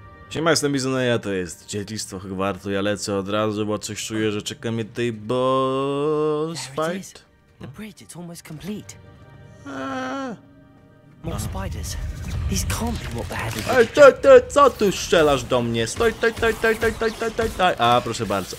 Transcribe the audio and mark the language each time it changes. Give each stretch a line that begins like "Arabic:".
Polish: Siema, jestem Bizona, ja to jest Dziedzictwo Hogwartu. Ja lecę od razu, bo coś czuję, że czeka mnie tutaj boss fight.
English: The bridge, it's almost complete. More spiders. These can't be what they're having.
Polish: Ej, ty, co tu strzelasz do mnie? Stoj, taj. A, proszę bardzo.